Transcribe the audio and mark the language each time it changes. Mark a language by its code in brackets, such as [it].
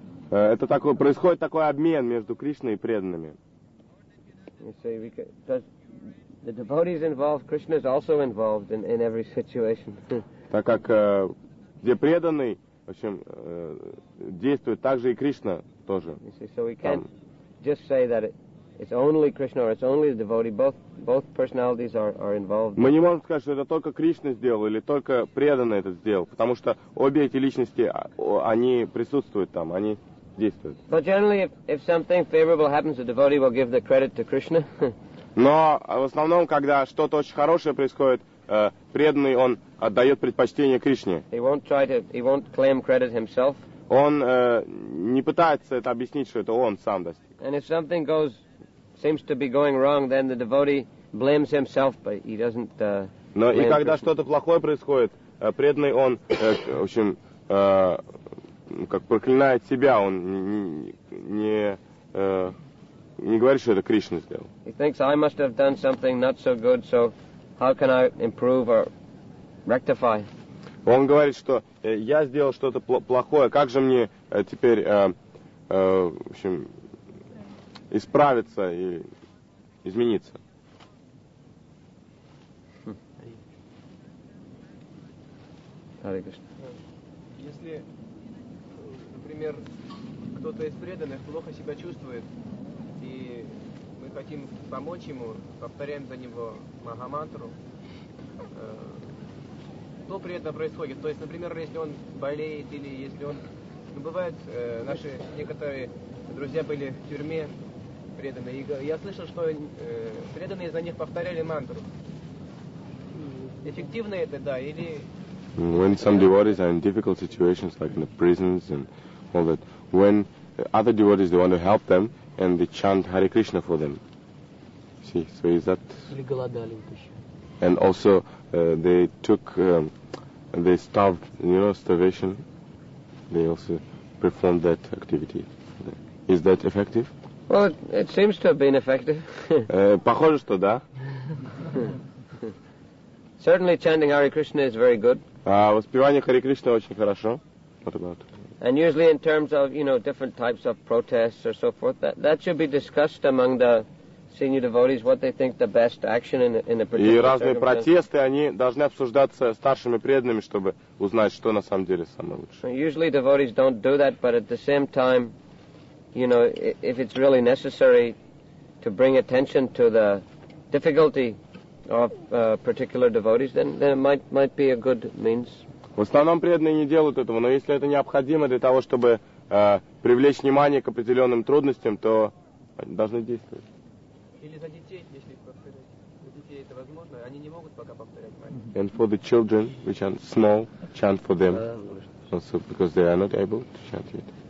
[ru] Это такой происходит такой обмен между Кришной и преданными. [en] You see, because the devotees involved, Krishna is also involved in every situation. [ru] Так как где преданный, в общем, действует также и Кришна тоже. [en] You see, so we can't just say that it's only Krishna or it's only the devotee. Both personalities are involved. [ru] Мы не можем сказать, что это только Кришна сделал или только преданный этот сделал, потому что обе эти личности, они присутствуют там, они действуют. [en] But generally, if something favorable happens, the devotee will give the credit to Krishna. [ru] Но в основном, когда что-то очень хорошее происходит, преданный он отдает предпочтение Кришне. [en] He won't claim credit himself. [ru] Он не пытается это объяснить, что это он сам достиг. [en] And if something goes seems to be going wrong, then the devotee blames himself, but he doesn't. [ru] Но и когда что-то плохое происходит, преданный он, в общем, как проклинает себя, он не говорит, что это Кришна сделал. [en] He thinks I must have done something not so good, so how can I improve or rectify? [ru] Он говорит, что я сделал что-то плохое, как же мне теперь, в общем, исправиться и измениться? Если, например, кто-то из преданных плохо себя чувствует, и мы хотим помочь ему, повторяем за него Махамантру, что при этом происходит? То есть, например, если он болеет, или если он... Ну, бывает, наши некоторые друзья были в тюрьме преданные, и я слышал, что преданные за них повторяли мантру. Эффективно это, да, или... [en] When some devotees are in difficult situations, like in the prisons and all that, when other devotees, they want to help them, and they chant Hare Krishna for them. See, so is that... And also, they took, they starved, you know, starvation. They also performed that activity. Is that effective? Well, it seems to have been effective. [ru] Похоже, что да. [en] Certainly chanting Hare Krishna is very good. [ru] Воспевание Харе Кришны очень хорошо. [en] What about? And usually in terms of, you know, different types of protests or so forth, that should be discussed among the senior devotees, what they think the best action in a particular. [ru] И разные протесты, они должны обсуждаться старшими преданными, чтобы узнать, что на самом деле самое лучшее. [en] Usually devotees don't do that, but at the same time, you know, if it's really necessary to bring attention to the difficulty of particular devotees, then it might be a good means. [ru] В основном преданные не делают этого, но если это необходимо для того, чтобы привлечь внимание к определенным трудностям, то они должны действовать. Или за детей, если повторять. Для детей это возможно, они не могут пока повторять мантру. [en] And for the children, which are small, chant for them also, because they are not able to chant yet.